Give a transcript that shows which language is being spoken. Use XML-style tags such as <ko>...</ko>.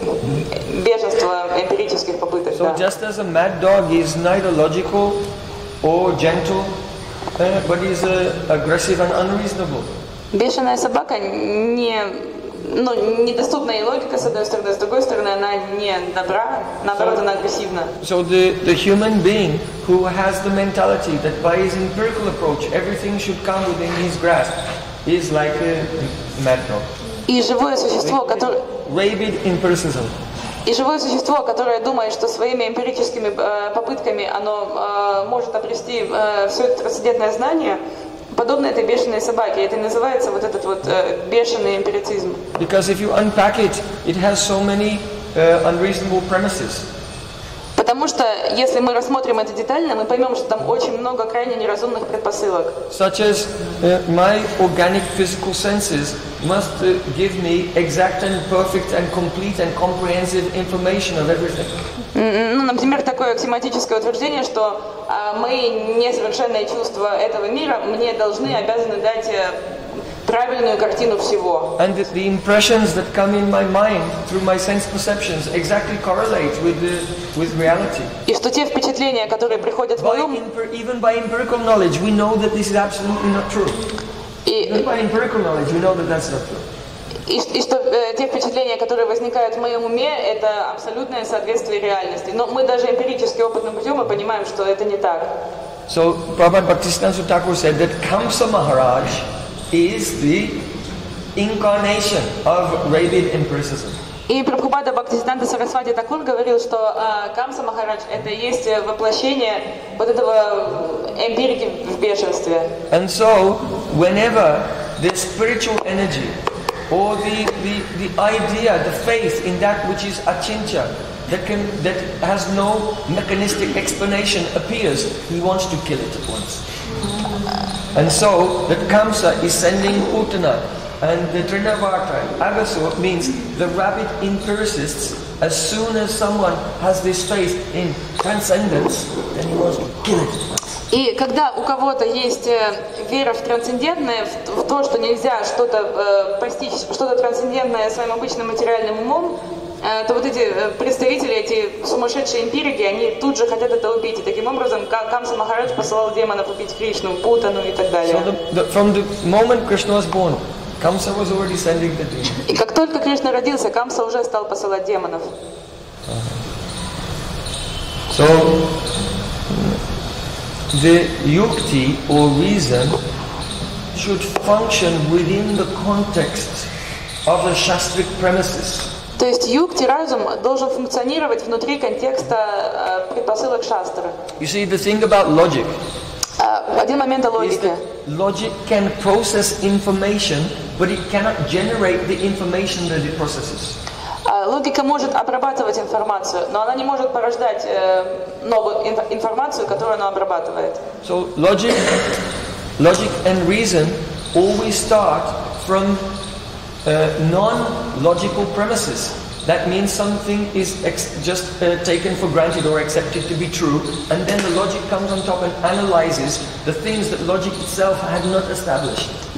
<en>So just as a mad dog is neither logical or gentle, but is aggressive and unreasonable.</en> <ru>Бешеная собака недоступна и логика с одной стороны, с другой стороны она не добра, наоборот она агрессивна.</ru> <en>So the human being who has the mentality that by his empirical approach everything should come within his grasp is like a mad dog.</en> <ru>И живое существо, которое</ru> <en>rabid empiricism.</en> <ru>И живое существо, которое думает, что своими эмпирическими попытками оно может обрести все это трансцендентное знание. Подобно этой бешеной собаке, это называется вот этот вот бешеный эмпирицизм.</ru> <en>Because if you unpack it, it has so many unreasonable premises. But</en> <ru>Потому что если мы рассмотрим это детально, мы поймем, что там очень много крайне неразумных предпосылок.</ru> <en>Such as my organic physical senses must give me exact and perfect and complete and comprehensive information of everything.</en> <ru>Ну, например, такое аксиоматическое утверждение, что мои несовершенные чувства этого мира мне должны, обязаны дать правильную картину всего.</ru> <en>And the impressions that come in my mind through my sense perceptions exactly correlate with reality.</en> <ru>И что те впечатления, которые приходят в мой ум,</ru> <en>even by empirical knowledge, we know that this is absolutely not true. Even by empirical knowledge, we know that that's not true.</en> <ru>И что те впечатления, которые возникают в моем уме, это абсолютное соответствие реальности. Но мы даже эмпирически опытным путем мы понимаем, что это не так.</ru> <en>So Prabhupada Bhaktisiddhanta Thakur said that Kamsa Maharaj is the incarnation of rabid empiricism.</en> <ru>И Прабхупада Бхактисиддханта Сарасвати Такур говорил, что Камса Махарадж это есть воплощение вот этого эмпирики в бешенстве.</ru> <en>And so whenever the spiritual energy or the idea, the faith in that which is achintya, that has no mechanistic explanation appears, he wants to kill it at once. And so that Kamsa is sending Putana and the Trinavarta Agasur means the rabid empiricists, as soon as someone has this faith in transcendence, then he wants to kill it.</en> <ru>И когда у кого-то есть вера в трансцендентное, в то, что нельзя что-то постичь, что-то трансцендентное своим обычным материальным умом, то вот эти представители, эти сумасшедшие эмпирики, они тут же хотят это убить. И таким образом, Камса Махарадж посылал демонов убить Кришну, Путану и так далее.</ru> <en>So from the moment Krishna was born, Kamsa was already sending the demons.</en> <ru>И как только Кришна родился, Камса уже стал посылать демонов.</ru> <en>So the yukti or reason should function within the context of the shastric premises.</en> <ru>То есть юкти, разум, должен функционировать внутри контекста предпосылок шастры.</ru> <en>You see, the thing about logic.</en> <ru>Один момент о логике.</ru> <en>Logic can process information, but it cannot generate the information that it processes.</en> <ru>Логика может обрабатывать информацию, но она не может порождать новую информацию, которую она обрабатывает.</ru> <en>So logic and reason always start from non-logical premises. That means something is just taken for granted or accepted to be true, and then the logic comes on top and analyzes the things that logic itself had not established.</en>